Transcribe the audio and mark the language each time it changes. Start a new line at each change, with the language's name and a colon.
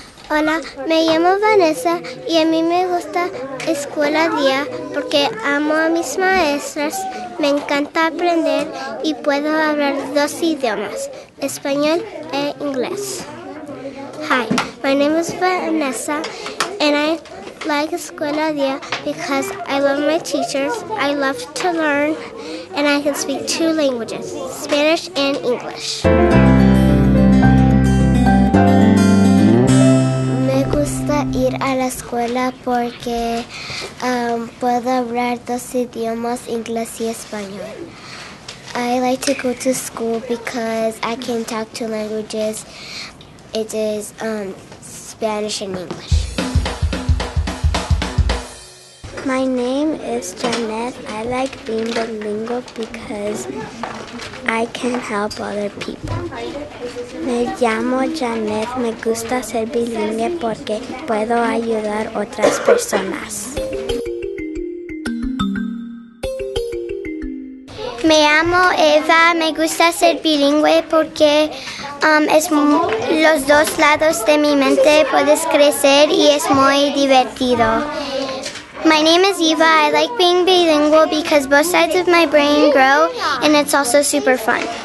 Spanish: Hola, me llamo Vanessa y a mí me gusta Escuela Día porque amo a mis maestras, me encanta aprender y puedo hablar dos idiomas, español e inglés.
English: Hi, my name is Vanessa and I like Escuela Día because I love my teachers, I love to learn, and I can speak two languages, Spanish and English.
Spanish: Ir a la escuela porque puedo hablar dos idiomas, inglés y español.
English: I like to go to school because I can talk two languages. It is Spanish and English. My name is Jeanette. I like being bilingual because I can help other people.
Spanish: Me llamo Jeanette. Me gusta ser bilingüe porque puedo ayudar otras personas. Me llamo Eva. Me gusta ser bilingüe porque es los dos lados de mi mente. Puedes crecer y es muy divertido.
English: My name is Eva. I like being bilingual because both sides of my brain grow, and it's also super fun.